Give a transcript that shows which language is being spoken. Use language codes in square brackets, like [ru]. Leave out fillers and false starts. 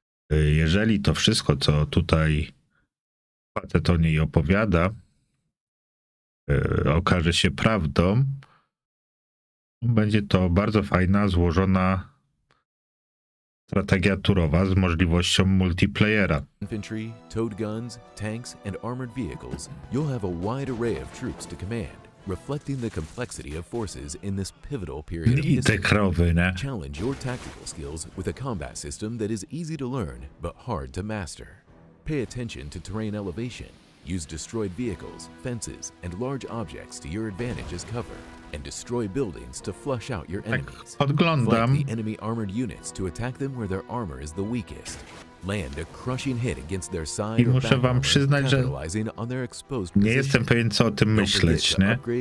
[pl] Jeżeli to wszystko, co tutaj facet o niej opowiada, okaże się prawdą, będzie to bardzo fajna, złożona strategia turowa z możliwością multiplayera. [en] Infantry, towed guns, tanks and armored vehicles. You'll have a wide array of troops to command, reflecting the complexity of forces in this pivotal period. [pl] I te krowy, nie? [en] Challenge your tactical skills with a combat system that is easy to learn but hard to master. Pay attention to terrain elevation. Use destroyed vehicles, fences and large objects to your advantage as cover. And destroy buildings to flush out your enemies. [pl] Tak podglądam. [en] Flank the enemy armored units to attack them where their armor is the weakest. Land a crushing hit against their side. [pl] I muszę wam przyznać, że nie jestem pewien, co o tym myśleć, nie?